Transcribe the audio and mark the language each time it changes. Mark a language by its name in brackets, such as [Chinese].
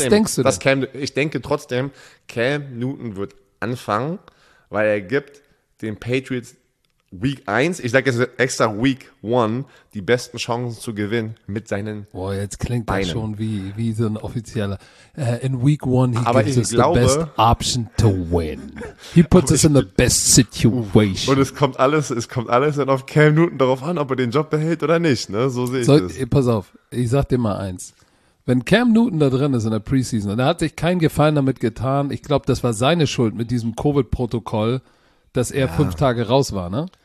[German] denkst du denn? Ich denke trotzdem, Cam Newton wird anfangen, weil er gibt den Patriots Week 1, ich sage jetzt extra Week 1, die besten Chancen zu gewinnen mit seinen Beinen. Boah, jetzt klingt Beinen. Das schon wie so ein offizieller. [English] In Week 1, he gives us the best option to win. He puts us in the best situation. [German] Und es kommt alles dann auf Cam Newton darauf an, ob er den Job behält oder nicht. Ne? So sehe ich das. Pass auf, ich sag dir mal eins. Wenn Cam Newton da drin ist in der Preseason und er hat sich keinen Gefallen damit getan, ich glaube, das war seine Schuld mit diesem Covid-Protokoll, dass er 5 Tage raus war, ne?